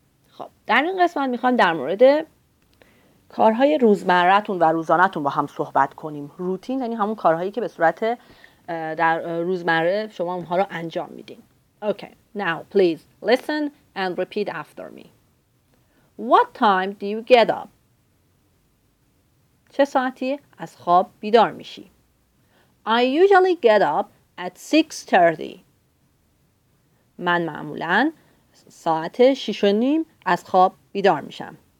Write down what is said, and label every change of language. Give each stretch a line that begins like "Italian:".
Persian: خب در این قسمت میخوام در مورد کارهای روزمره‌تون و روزانه‌تون با هم صحبت کنیم. روتین یعنی همون کارهایی که به صورت در روزمره شما اونها رو انجام میدین.
English: Okay, now please listen and repeat after me. What time do you get up?
Persian: چه ساعتی از خواب بیدار میشی؟
English: I usually get up at 6:30.
Persian: من معمولاً ساعت 6:30 از خواب بیدار میشم.